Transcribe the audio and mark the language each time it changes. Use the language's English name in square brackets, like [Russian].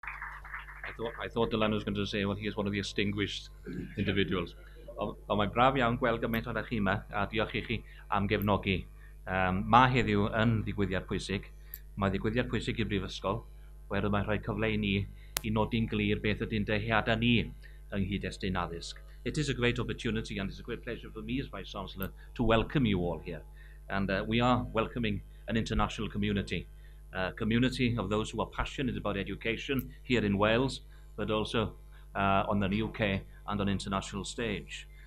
[English] I thought Dylan was going to say, well, he is one of the distinguished individuals. [Welsh] Ond mae'n braf iawn gweld gymaint o'r chi yma, a diolch i chi am gefnogi. Mae heddiw yn ddigwyddiad pwysig. Mae ddigwyddiad pwysig i'r Brifysgol, oherwydd mae'n rhoi cyfle i ni i nodi'n glir beth ydy'n dehiadau ni yng nghyd-destun addysg. [English] It is a great opportunity and it's a great pleasure for me as Vice-Chancellor to welcome you all here. And we are welcoming an international community, a community of those who are passionate about education here in Wales, but also on the UK and on international stage.